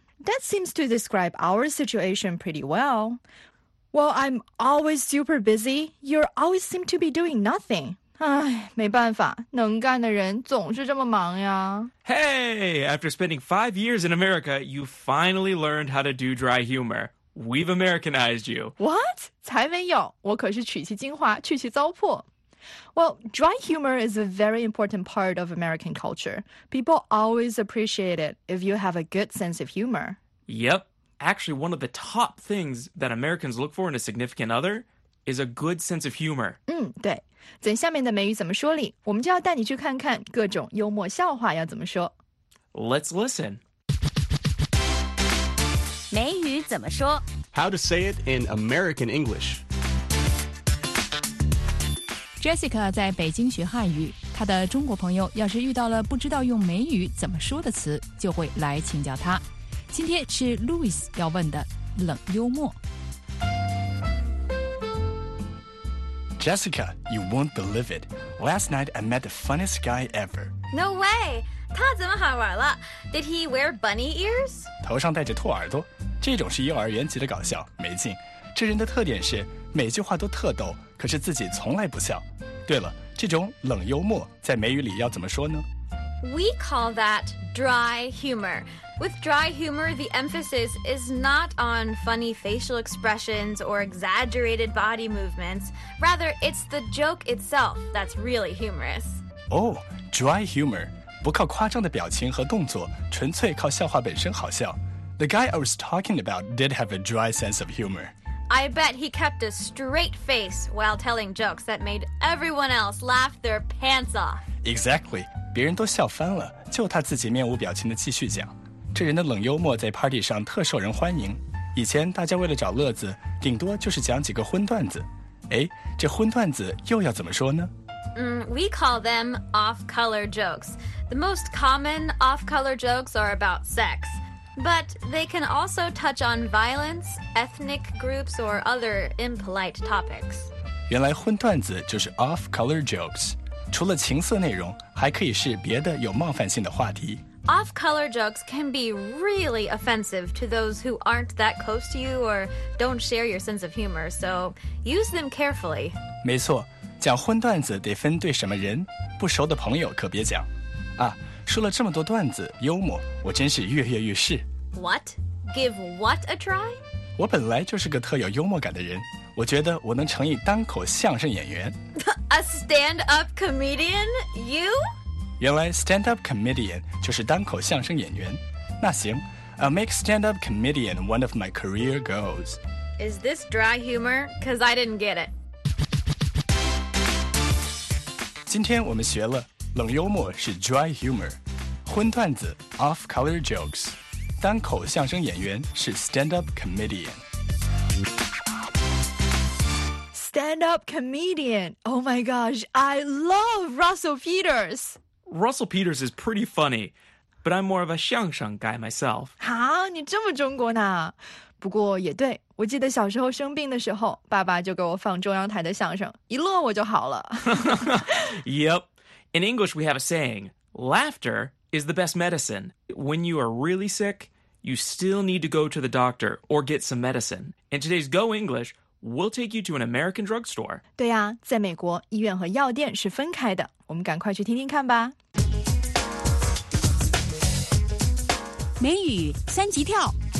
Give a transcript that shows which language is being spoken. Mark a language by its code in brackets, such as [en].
[en] That seems to describe our situation pretty well. Well, I'm always super busy. You always seem to be doing nothing. [zh] 唉，没办法，能干的人总是这么忙呀。 [en] Hey, after spending 5 years in America, you finally learned how to do dry humor. We've Americanized you. What? [zh] 才没有，我可是取其精华，去其糟粕。 [en] Well, dry humor is a very important part of American culture. People always appreciate it if you have a good sense of humor. Yep. Actually, one of the top things that Americans look for in a significant other is a good sense of humor. [zh] 对。等下面的美语怎么说里，我们就要带你去看看各种幽默笑话要怎么说。 [en] Let's listen. [zh] 美语怎么说？ [en] How to say it in American English. [zh] Jessica 在北京学汉语，她的中国朋友要是遇到了不知道用美语怎么说的词，就会来请教她。今天是 Louis 要问的冷幽默。 [en] Jessica, you won't believe it. Last night I met the funniest guy ever. No way! [zh] 他怎么好玩了？ [en] Did he wear bunny ears? [zh] 头上戴着兔耳朵，这种是幼儿园级的搞笑，没劲。这人的特点是每句话都特逗，可是自己从来不笑。对了，这种冷幽默在美语里要怎么说呢？ [en] We call that dry humor. With dry humor, the emphasis is not on funny facial expressions or exaggerated body movements. Rather, it's the joke itself that's really humorous. Oh, dry humor. [zh] 不靠夸张的表情和动作，纯粹靠笑话本身好笑。 [en] The guy I was talking about did have a dry sense of humor. I bet he kept a straight face while telling jokes that made everyone else laugh their pants off. Exactly. [zh] 别人都笑翻了，就他自己面无表情地继续讲。这人的冷幽默在 party 上特受人欢迎。以前大家为了找乐子，顶多就是讲几个荤段子。哎，这荤段子又要怎么说呢？ [en] We call them off-color jokes. The most common off-color jokes are about sex. But they can also touch on violence, ethnic groups, or other impolite topics. [zh] 原来荤段子就是 [en] off-color jokes. [zh] 除了情色内容，还可以是别的有冒犯性的话题。 [en] Off-color jokes can be really offensive to those who aren't that close to you or don't share your sense of humor, so use them carefully. [zh] 没错，讲荤段子得分对什么人，不熟的朋友可别讲。啊，说了这么多段子幽默，我真是跃跃欲试。 [en] What? Give what a try? [zh] 我本来就是个特有幽默感的人，我觉得我能成一单口相声演员。 [en] A stand-up comedian? You? [zh] 原来 [en] stand-up comedian [zh] 就是单口相声演员。那行， [en] I'll make stand-up comedian one of my career goals. Is this dry humor? Because I didn't get it. [zh] 今天我们学了冷幽默是 [en] dry humor， [zh] 荤段子 [en] off-color jokes， [zh] 单口相声演员是 [en] stand-up comedian。 stand-up comedian. Oh my gosh, I love Russell Peters. Russell Peters is pretty funny, but I'm more of a 相声 guy myself. [zh] 啊，你这么中国呢？不过也对，我记得小时候生病的时候，爸爸就给我放中央台的相声，一乐我就好了。 [en] Yep. In English, we have a saying, laughter is the best medicine. When you are really sick, you still need to go to the doctor or get some medicine. In today's Go English, we'll take you to an American drugstore. [zh] 对啊，在美国，医院和药店是分开的。我们赶快去听听看吧。美语三级跳。